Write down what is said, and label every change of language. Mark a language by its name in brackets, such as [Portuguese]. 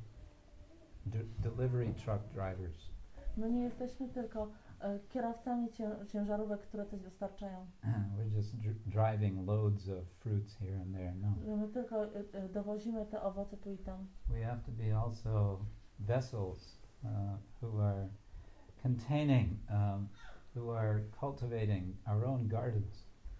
[English] We are not just delivery truck drivers. [Polish] My nie jesteśmy tylko kierowcami ciężarówek, które coś dostarczają. [English] We're just driving loads of fruits here and there. No. [Polish] My tylko dowozimy te owoce tu i tam. [English] We have to be also vessels who are containing, who are cultivating our own gardens.